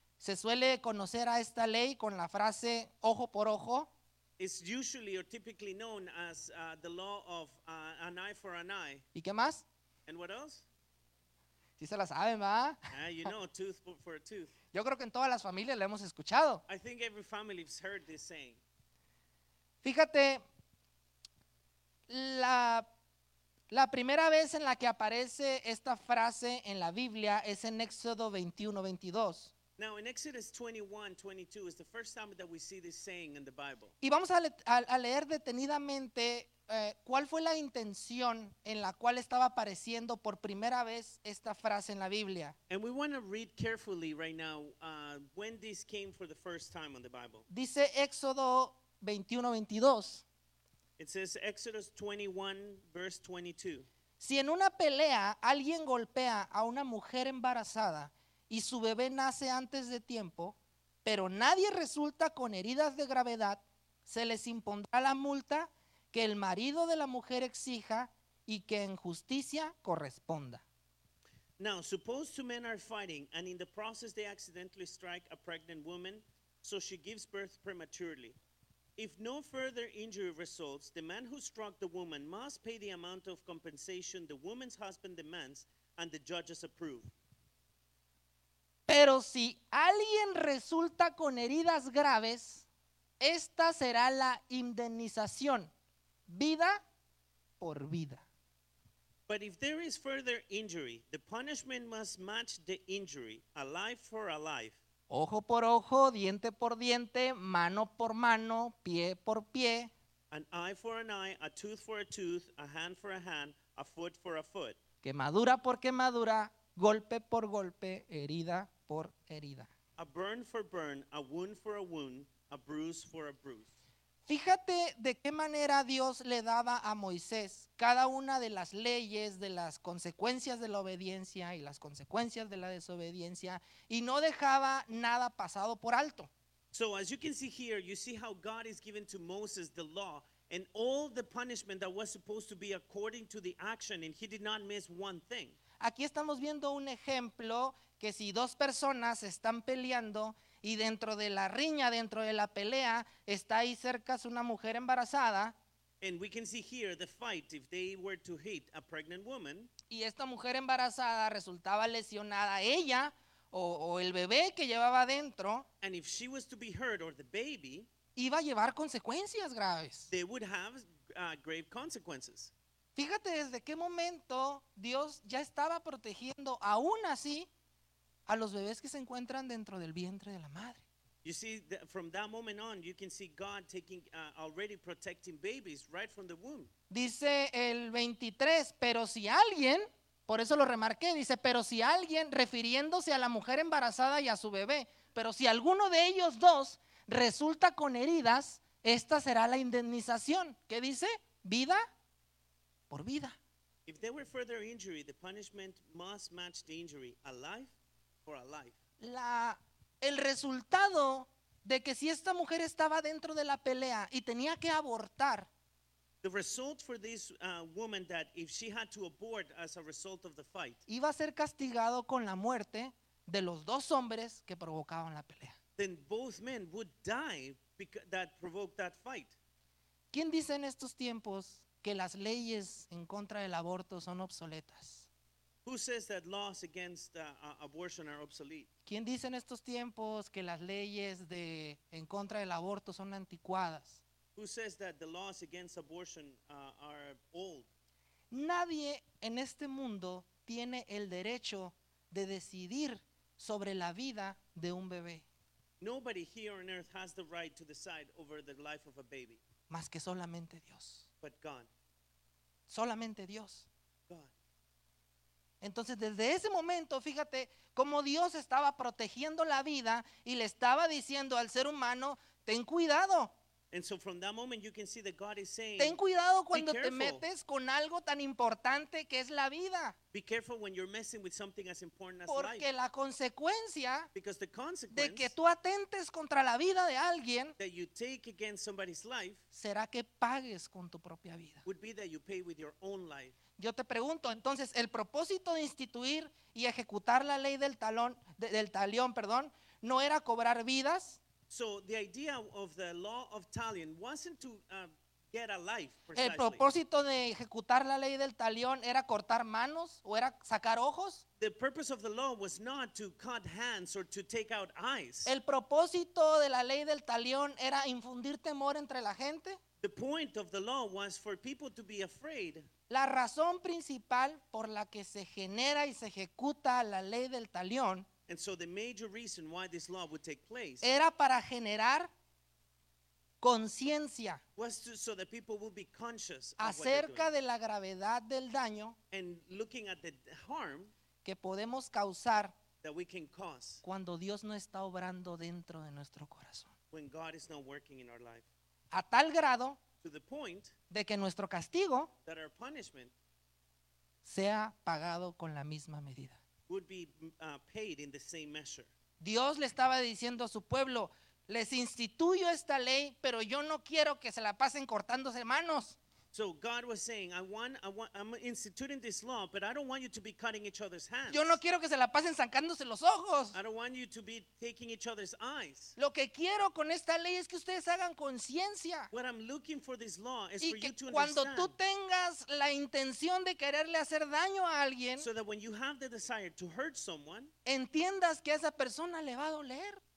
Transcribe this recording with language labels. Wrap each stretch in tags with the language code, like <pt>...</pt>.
<es>Se suele conocer a esta ley con la frase ojo por ojo.</es> <en>It's usually or typically known as the law of an eye for an eye.</en> <es>¿Y qué más?</es> <en>And what else?</en> <es>Sí se la saben, ¿va?</es> <en>You know, tooth for a tooth.</en> <es>Yo creo que en todas las familias la hemos escuchado.</es> <en>I think every family has heard this saying.</en> <es>Fíjate, la primera vez en la que aparece esta frase en la Biblia es en Éxodo 21:22.</es> <en>Now in Exodus 21:22 is the first time that we see this saying in the Bible.</en> <es>Y vamos a leer detenidamente cuál fue la intención en la cual estaba apareciendo por primera vez esta frase en la Biblia.</es> <en>And we want to read carefully right now when this came for the first time in the Bible.</en> <es>Dice Éxodo 21:22.</es> <en>It says Exodus 21:22.</en> <es>Si en una pelea alguien golpea a una mujer embarazada y su bebé nace antes de tiempo, pero nadie resulta con heridas de gravedad, se les impondrá la multa que el marido de la mujer exija y que en justicia corresponda.</es> <en>Now, suppose two men are fighting, and in the process they accidentally strike a pregnant woman, so she gives birth prematurely. If no further injury results, the man who struck the woman must pay the amount of compensation the woman's husband demands, and the judges approve.</en> <es>Pero si alguien resulta con heridas graves, esta será la indemnización, vida por vida.</es> <en>But if there is further injury, the punishment must match the injury, a life for a life.</en> <es>Ojo por ojo, diente por diente, mano por mano, pie por pie.</es> <en>An eye for an eye, a tooth for a tooth, a hand for a hand, a foot for a foot.</en> <es>Quemadura por quemadura, golpe por golpe, herida por herida.</es> <en>A burn for burn, a wound for a wound, a bruise for a bruise.</en> <es>Fíjate de qué manera Dios le daba a Moisés cada una de las leyes, de las consecuencias de la obediencia y las consecuencias de la desobediencia, y no dejaba nada pasado por alto.</es> <en>So as you can see here, you see how God is giving to Moses the law and all the punishment that was supposed to be according to the action, and he did not miss one thing.</en> <es>aquí estamos viendo un ejemplo que si dos personas están peleando y dentro de la riña, dentro de la pelea, está ahí cerca una mujer embarazada.</es> <en>And we can see here the fight if they were to hit a pregnant woman.</en> <es>Y esta mujer embarazada resultaba lesionada, ella o el bebé que llevaba adentro.</es> <en>And if she was to be hurt or the baby,</en> <es>iba a llevar consecuencias graves.</es> <en>They would have grave consequences.</en> <es>Fíjate desde qué momento Dios ya estaba protegiendo aún así a los bebés que se encuentran dentro del vientre de la madre.</es> <en>You see, from that moment on, you can see God taking, already protecting babies right from the womb.</en> <es>Dice el 23, pero si alguien, por eso lo remarqué, dice, pero si alguien, refiriéndose a la mujer embarazada y a su bebé, pero si alguno de ellos dos resulta con heridas, esta será la indemnización. ¿Qué dice? Vida por vida.</es> <en>If there were further injury, the punishment must match the injury, a life for a life.</en> <es>El resultado de que si esta mujer estaba dentro de la pelea y tenía que abortar.</es> <en>The result for this woman that if she had to abort as a result of the fight.</en> <es>Iba a ser castigado con la muerte de los dos hombres que provocaban la pelea.</es> <en>Then both men would die because that provoked that fight.</en> <es>¿Quién dice en estos tiempos que las leyes en contra del aborto son obsoletas?</es> <en>Who says that laws against abortion are obsolete?</en> <es>¿Quién dice en estos tiempos que las leyes de en contra del aborto son anticuadas?</es> <en>Who says that the laws against abortion are old?</en> <es>Nadie en este mundo tiene el derecho de decidir sobre la vida de un bebé.</es> <en>Nobody here on earth has the right to decide over the life of a baby.</en> <es>Más que solamente Dios.</es> <en>But God.</en> <es>Solamente Dios.</es> <en>God.</en> <es>Entonces, desde ese momento, fíjate cómo Dios estaba protegiendo la vida y le estaba diciendo al ser humano, ten cuidado.</es> <en>And so from that moment you can see that God is saying,</en> <es>ten cuidado cuando te metes con algo tan importante que es la vida.</es> <en>Be careful when you're messing with something as important as life.</en> <es>Porque la consecuencia,</es> <en>because the consequence,</en> <es>de que tú atentes contra la vida de alguien,</es> <en>that you take against somebody's life,</en> <es>será que pagues con tu propia vida.</es> <en>Would be that you pay with your own life.</en> <es>Yo te pregunto, entonces, el propósito de instituir y ejecutar la ley del talión, no era cobrar vidas.</es> <en>So the idea of the law of talión wasn't to get a life. Precisely.</en> <es>El propósito de ejecutar la ley del talión era cortar manos o era sacar ojos.</es> <en>The purpose of the law was not to cut hands or to take out eyes.</en> <es>El propósito de la ley del talión era infundir temor entre la gente.</es> <en>The point of the law was for people to be afraid.</en> <es>La razón principal por la que se genera y se ejecuta la ley del talión.</es> <en>And so the major reason why this law would take place.</en> <es>Era para generar conciencia.</es> <en>Was to, so that people would be conscious.</en> <es>Acerca de la gravedad del daño.</es> <en>And looking at the harm.</en> <es>Que podemos causar.</es> <en>That we can cause.</en> <es>Cuando Dios no está obrando dentro de nuestro corazón.</es> <en>When God is not working in our life.</en> <es>A tal grado</es> <en>to the point</en> <es>de que nuestro castigo</es> <en>that our punishment</en> <es>sea pagado con la misma medida.</es> <en>Would be, paid in the same measure.</en> <es>Dios le estaba diciendo a su pueblo, les instituyo esta ley, pero yo no quiero que se la pasen cortándose manos.</es> <en>So God was saying, I'm instituting this law, but I don't want you to be cutting each other's hands.</en> <es>Yo no quiero que se la pasen sacándose los ojos.</es> <en>I don't want you to be taking each other's eyes.</en> <es>Lo que quiero con esta ley es que ustedes hagan conciencia.</es> <en>What I'm looking for this law is</en> <es>y</es> <en>for you to understand.</en> <es>Y cuando tú tengas la intención de quererle hacer daño a alguien,</es> <en>so that when you have the desire to hurt someone,</en> <es>entiendas que a esa persona le va a doler.</es>